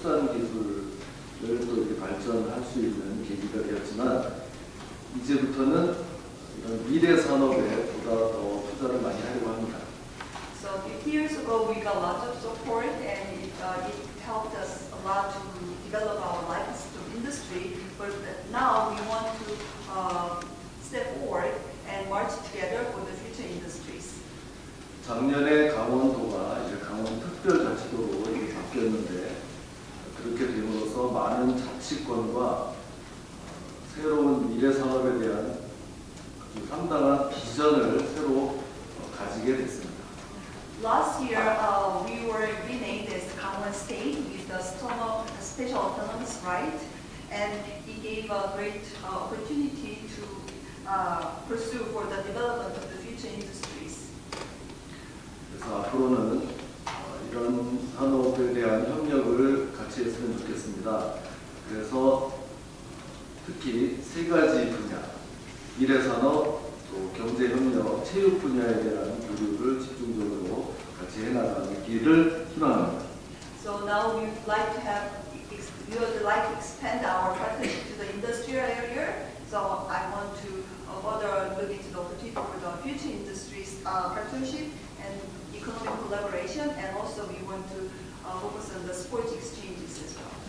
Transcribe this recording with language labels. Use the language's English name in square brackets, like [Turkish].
[Korean] 발전할 수 있는 계기가 되었지만 이제부터는 이런 미래 산업에 보다 더 투자를 많이 하려고 합니다. [English] So 50 years ago, we got lots of support and it helped us a lot to develop our livestock industry. But now we want to step forward and march together for the future industries. [Korean] 작년에 강원도가 이제 강원특별자치도로 바뀌었는데 그렇게 됨으로써 많은 자치권과 새로운 미래 산업에 대한 아주 상당한 비전을 새로 가지게 됐습니다. [English] Last year, we were renamed as Gangwon State with the special autonomous right, and it gave a great opportunity to pursue for the development of the future industries. [Korean] 그래서 앞으로는 이런 산업에 대한 협력을 같이 했으면 좋겠습니다. 그래서 특히 세 가지 분야, 미래산업, 또 경제협력, 체육 분야에 대한 교류를 집중적으로 같이 해나가기를 희망합니다. [English] So now we would like to have, we would like to expand our partnership to the industrial area. So I want to further look into the opportunity for the future industries partnership and economic collaboration. And also we want to focus on the sports exchanges as well.